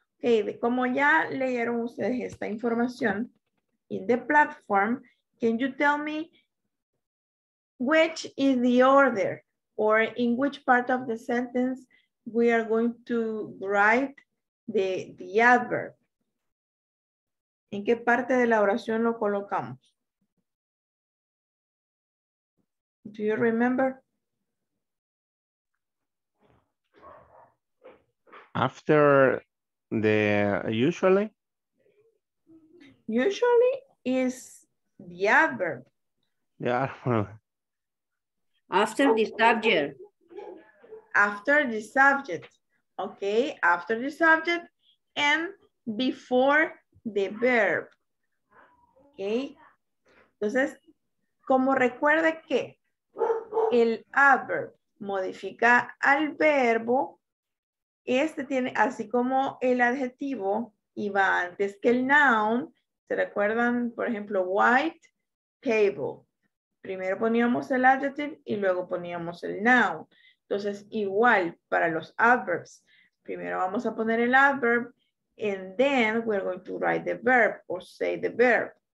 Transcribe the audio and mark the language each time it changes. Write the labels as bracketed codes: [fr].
[es] Okay, como ya leyeron ustedes esta información [en] in the platform, can you tell me which is the order or in which part of the sentence we are going to write the adverb? [es] ¿En qué parte de la oración lo colocamos? [en] Do you remember? After the usually? Usually is the adverb. Yeah. After the subject. After the subject. Okay, after the subject and before the verb. Okay. [es] Entonces, como recuerde que el adverb modifica al verbo, este tiene, así como el adjetivo iba antes que el noun, ¿se recuerdan? Por ejemplo, [en] white table. [es] Primero poníamos el adjective y luego poníamos el noun. Entonces, igual para los adverbs. Primero vamos a poner el [en] adverb and then we're going to write the verb or say the verb.